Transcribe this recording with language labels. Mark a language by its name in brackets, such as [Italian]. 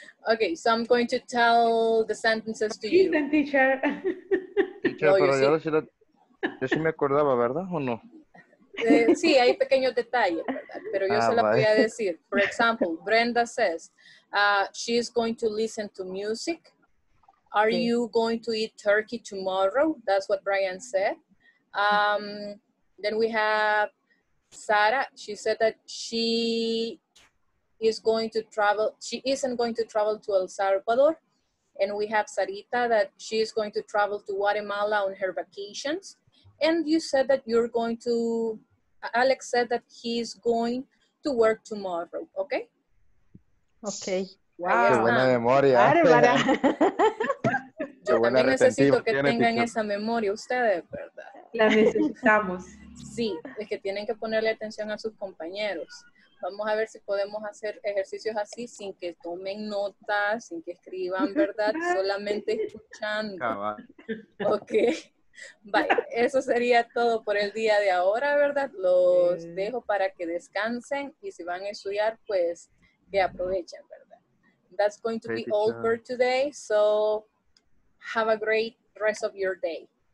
[English] Okay, so I'm going to tell the sentences to you. Listen, teacher. [Spanish] Teacher, pero yo sí, yo sí me acordaba, ¿verdad o no? Sí, hay pequeños detalles, pero yo se la voy a decir. [English] For example, Brenda says, she is going to listen to music. Are you going to eat turkey tomorrow? That's what Brian said. Then we have Sara. She said that she is going to travel. She isn't going to travel to El Salvador. And we have Sarita that she is going to travel to Guatemala on her vacations. And you said that you're going to, Alex said that he's going to work tomorrow, okay? Okay. [Spanish] Wow. Qué buena memoria. Bárbara. Yo también necesito que tengan esa memoria ustedes, ¿verdad? La necesitamos. Sí, es que tienen que ponerle atención a sus compañeros. Vamos a ver si podemos hacer ejercicios así sin que tomen notas, sin que escriban, ¿verdad? Solamente escuchando. Okay. Bye. Eso sería todo por el día de ahora, ¿verdad? Los dejo para que descansen y si van a estudiar, pues que aprovechen, ¿verdad? [English] That's going to be all for today, so have a great rest of your day.